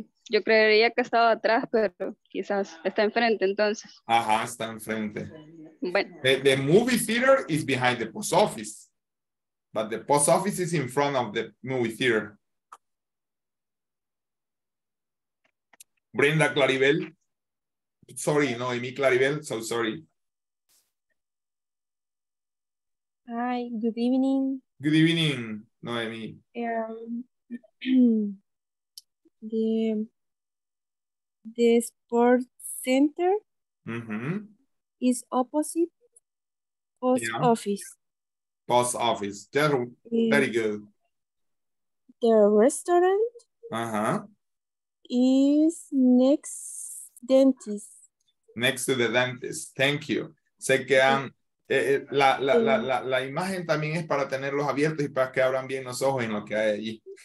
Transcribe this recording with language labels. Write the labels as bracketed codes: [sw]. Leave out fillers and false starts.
[es] Yo creería que estaba atrás, pero quizás está enfrente entonces. Ajá, está enfrente. Bueno. [en] The movie theater is behind the post office. But the post office is in front of the movie theater. Brenda Claribel. Sorry, no, Amy Claribel. So sorry. Hi, good evening. Good evening, Noemi. The sports center is opposite post office. Post office. There, very good. The restaurant is next dentist. Next to the dentist. Thank you. [es] Se quedan. La imagen también es para tenerlos abiertos y para que abran bien los ojos en lo que hay allí.